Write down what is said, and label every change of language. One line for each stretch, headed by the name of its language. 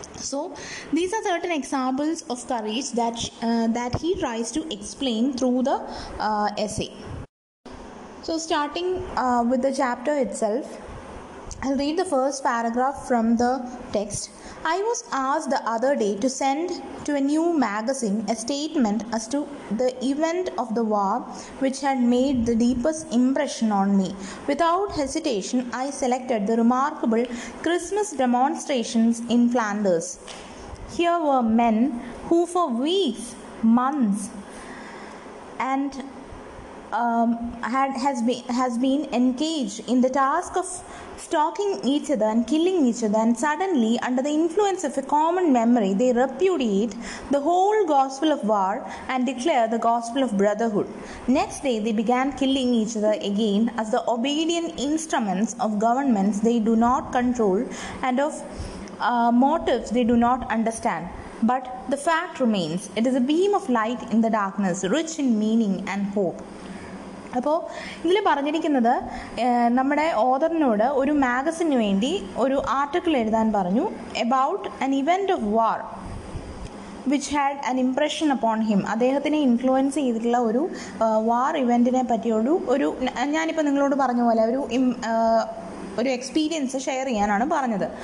English: So these are certain examples of courage that he tries to explain through the essay. So starting with the chapter itself, I'll read the first paragraph from the text. I was asked the other day to send to a new magazine a statement as to the event of the war which had made the deepest impression on me. Without hesitation, I selected the remarkable Christmas demonstrations in Flanders. Here were men who for weeks, months, and has been engaged in the task of stalking each other and killing each other, and suddenly under the influence of a common memory they repudiate the whole gospel of war and declare the gospel of brotherhood. Next day they began killing each other again as the obedient instruments of governments they do not control and of motives they do not understand. But the fact remains, it is a beam of light in the darkness, rich in meaning and hope.
Malayalam: അപ്പോൾ ഇതിൽ പറഞ്ഞിരിക്കുന്നത് നമ്മുടെ ഓതറിനോട് ഒരു മാഗസിന് വേണ്ടി ഒരു article എഴുതാൻ പറഞ്ഞു,
English: About an event of war. Which had an impression upon him.
Malayalam: അദ്ദേഹത്തിനെ ഇൻഫ്ലുവൻസ് ചെയ്തിട്ടുള്ള ഒരു വാർ ഇവൻറ്റിനെ പറ്റിയൊരു ഒരു ഞാനിപ്പോൾ നിങ്ങളോട് പറഞ്ഞ പോലെ ഒരു ഒരു എക്സ്പീരിയൻസ് ഷെയർ ചെയ്യാനാണ് പറഞ്ഞത്.